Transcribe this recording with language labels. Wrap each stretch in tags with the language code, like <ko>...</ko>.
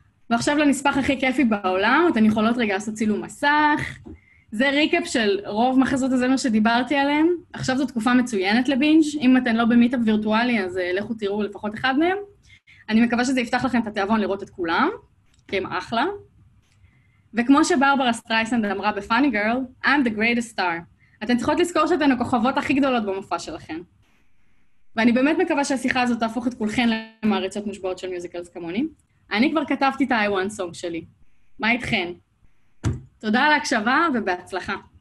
<he>ועכשיו לנספח הכי כיפי בעולם, אתן יכולות רגע לעשות צילום מסך. זה ריקאפ של רוב מחזות הזמר שדיברתי עליהם. עכשיו זו תקופה מצוינת לבינג', אם אתן לא במיטאפ וירטואלי, אז לכו תראו לפחות אחד מהם. אני מקווה שזה יפתח לכם את התיאבון לראות את כולם, כי הם אחלה. וכמו שברברה סטרייסנד אמרה ב-Funny Girl,</he> <en>I'm the greatest star.</en> <he>אתן צריכות לזכור שאתן הכוכבות הכי גדולות במופע שלכן. ואני באמת מקווה שהשיחה הזאת תהפוך את כולכן למעריצות מושבעות של מיוזיקלס כמוני. אני כבר כתבתי את ה-I-One song שלי. מה איתכן? תודה על ההקשבה ובהצלחה.</he>